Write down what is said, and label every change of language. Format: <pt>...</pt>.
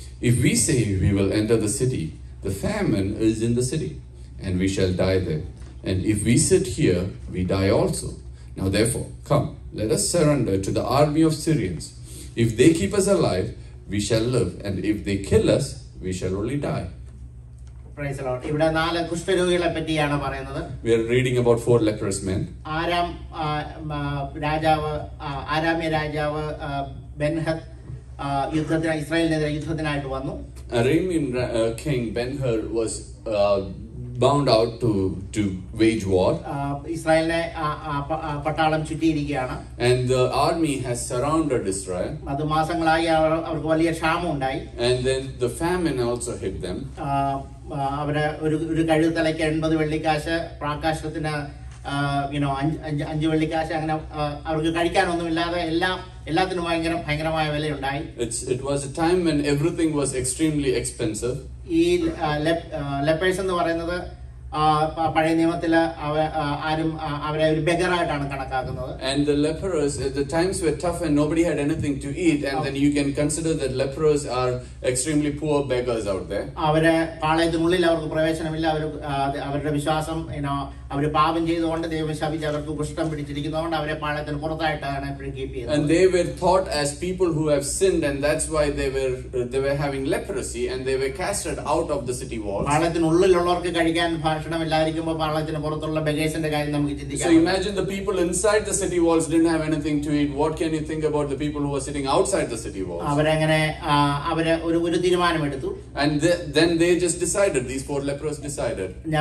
<en>If we say we will enter the city, the famine is in the city, and we shall die there. And if we sit here, we die also. Now therefore, come, let us surrender to the army of Syrians. If they keep us alive, we shall live, and if they kill us, we shall only die." Praise Lord.</en> <ml>ഇവിടെ 4 കുഷ്ഠരോഗികളെ പറ്റിയാണ് പറയുന്നത്.</ml> <en>We are reading about 4 leprous men.</en> <ml>Aram രാജാവ് ആരാമ്യ രാജാവ് ബെൻഹദ് യുദ്ധത്തിന് ഇസ്രായേലിനെതിരെ യുദ്ധത്തിനായിട്ട് വന്നു.</ml> <en>Aramean king Ben-Hur was bound out to wage war.</en> <ml>ഇസ്രായേലിനെ പട്ടാളം ചുറ്റിയിരിക്കുകയാണ്.</ml> <en>And the army has surrounded Israel.</en> <ml>അത് മാസങ്ങളായി അവർക്ക് വലിയ ക്ഷാമം ഉണ്ടായി.</ml> <en>And then the famine also hit them.</en> <ml>അവരെ ഒരു കഴുത തലയ്ക്ക് 80 വെള്ളിക്കാശ് പ്രാകാശത്തിന് യുനോ 5 വെള്ളിക്കാശ് അങ്ങനെ അവർക്ക് കഴിക്കാനൊന്നും ഇല്ലാതെ എല്ലാത്തിനും ഭയങ്കരമായ വില ഉണ്ടായി.</ml> <en>It was a time when everything was extremely expensive.</en> <ml>ഈ ലെപ്പേഴ്സ് എന്ന് പറയുന്നത് പഴയ നിയമത്തില് ആരും അവരെ ഒരു ബെഗറായിട്ടാണ് കണക്കാക്കുന്നത്.</ml> <en>And the lepers, the times were tough and nobody had anything to eat, and then you can consider that lepers are extremely poor beggars out there.</en> <ml>അവരെ പാളയത്തിനുള്ളിൽ അവർക്ക് പ്രവേശനമില്ല. അവരുടെ വിശ്വാസം ഇനോ അവര് പാപം ചെയ്തുകൊണ്ട് ദൈവം ശപിച്ച് അവർക്ക് കുഷ്ഠം പിടിച്ചിരിക്കുന്നതുകൊണ്ട് അവരെ പാളയത്തിന് പുറത്തായിട്ടാണ് എപ്പോഴും കീപ്പ് ചെയ്യുന്നത്.</ml> <en>And they were thought as people who have sinned, and that's why they were having leprosy, and they were casted out of the city walls.</en> <ml>പാളയത്തിനുള്ളിലുള്ളവർക്ക് കഴിക്കാൻ ഭക്ഷണം ഇല്ലാതിരിക്കുമ്പോൾ പാളയത്തിന് പുറത്തുള്ള ബെഗേഴ്സിന്റെ കാര്യം നമുക്ക് ചിന്തിക്കാം.</ml> <en>So imagine the people inside the city walls didn't have anything to eat. What can you think about the people who were sitting outside the city walls?</en> <ml>അവരങ്ങനെ അവരെ ഒരു തീരുമാനമെടുത്തു.</ml> <en>And then they just decided, these 4 lepers decided.</en>